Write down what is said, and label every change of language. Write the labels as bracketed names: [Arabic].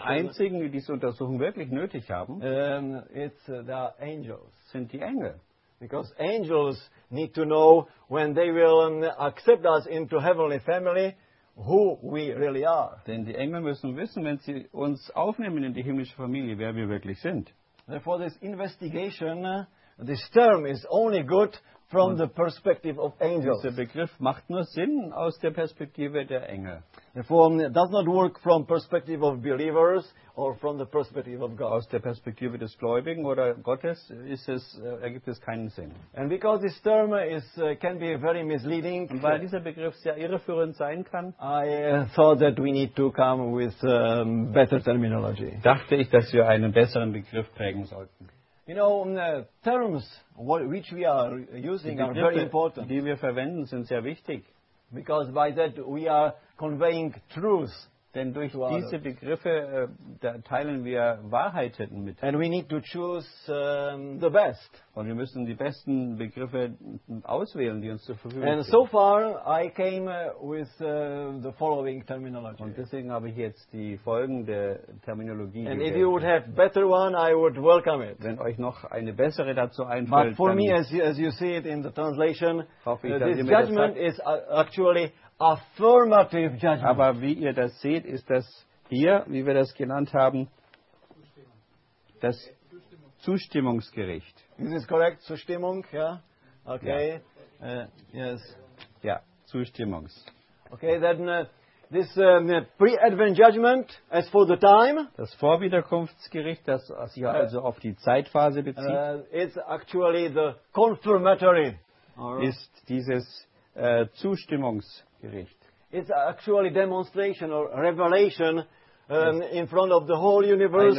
[German] Die einzigen, die diese Untersuchung wirklich nötig haben, [English] the angels. [German] Sind die Engel. [English] Because angels need to know when they will accept us into heavenly family, who we really are. [German] Denn die Engel müssen wissen, wenn sie uns aufnehmen in die himmlische Familie, wer wir wirklich sind. [English] Therefore, this investigation, this term is only good from the perspective of angels. [German] Dieser Begriff macht nur Sinn aus der Perspektive der Engel. [English] Therefore, does not work from perspective of believers or from the perspective of God. [German] Aus der Perspektive des Gläubigen oder Gottes ist es, ergibt es keinen Sinn. [English] And because this term is can be very misleading. [German] Und weil dieser Begriff sehr irreführend sein kann, [English] I thought that we need to come with better terminology. [German] Dachte ich, dass wir einen besseren Begriff prägen sollten. [English] You know, the terms which we are using [German] Begriffe, [English] are very important. [German] Die wir verwenden, sind sehr wichtig. [English] Because by that we are conveying truth. [German] Denn durch diese Begriffe teilen wir Wahrheiten mit. [English] And we need to choose the best. [German] Und wir müssen die besten Begriffe auswählen, die uns zur Verfügung stehen. [English] And so far I came with the following terminology. [German] Und deswegen habe ich jetzt die folgende Terminologie. [English] And if you would have better one, I would welcome it. [German] Wenn euch noch eine bessere dazu einfällt. [English] But for me, as you see it in the translation, this judgment is actually affirmative judgment. [German] Aber wie ihr das seht, ist das hier, wie wir das genannt haben, das Zustimmungsgericht. [English] Is this correct? [German] Zustimmung, ja? [English] Yeah? Okay. Yeah. Yes. [German] Ja, [English] yeah. [German] Zustimmungs. [English] Okay, then this pre-advent judgment as for the time. [German] Das Vorwiederkunftsgericht, das sich also auf die Zeitphase bezieht. [English] It's actually the confirmatory. [German] Ist dieses Zustimmungsgericht. [English] It's actually demonstration or revelation in front of the whole universe.